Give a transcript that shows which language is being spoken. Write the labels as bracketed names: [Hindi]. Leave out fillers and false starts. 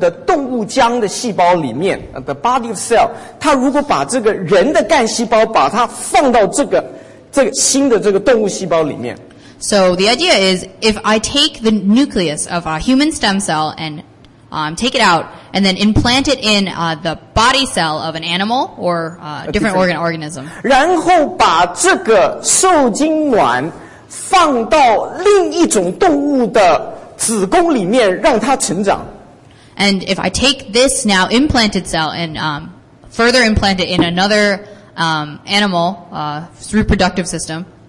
[Chinese] 他说如果我把这个细胞里面的干细胞把它抽出来，然后把它放到一个另一个动物的动物浆的细胞里面， [English] the body of cell， [Chinese] 他如果把这个人的干细胞把它放到这个新的这个动物细胞里面。 [English] So the idea is if I take the nucleus of a human stem cell and take it out and then implant it in the body cell of an animal or different organism. [Chinese] 然后把这个受精卵放到另一种动物的子宫里面让它成长。 [English] And if I take this now implanted cell and further implant it in another animal reproductive system.